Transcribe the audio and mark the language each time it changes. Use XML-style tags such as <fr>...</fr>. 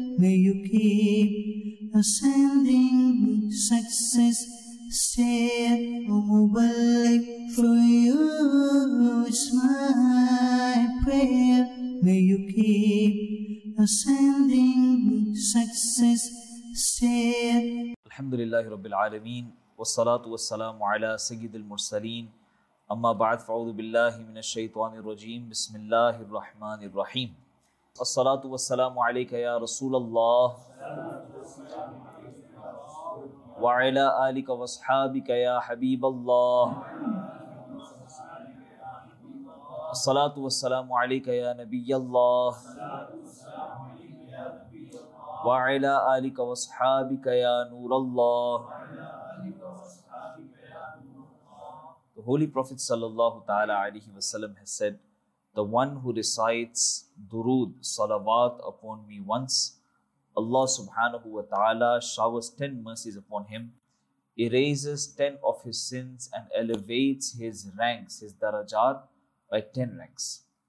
<en>May you keep ascending success stair. Mubarak for you, it's my prayer. May you keep ascending success stair.</en> <ar>Alhamdulillah Rabbil Alameen, wassalatu wassalamu ala Sayyidil Mursaleen. أما بعد فأعوذ بالله من الشيطان الرجيم بسم الله الرحمن الرحيم الصلاة والسلام عليك يا رسول الله وعلى آلك وصحابك يا حبيب الله الصلاة والسلام عليك يا نبي الله وعلى آلك وصحابك يا نور الله.</ar> <en>Holy Prophet sallallahu ta'ala alayhi wa sallam has said, the one who recites durood, salawat upon me once, Allah subhanahu wa ta'ala showers 10 mercies upon him, erases 10 of his sins and elevates his ranks, his darajat, by 10 ranks.</en>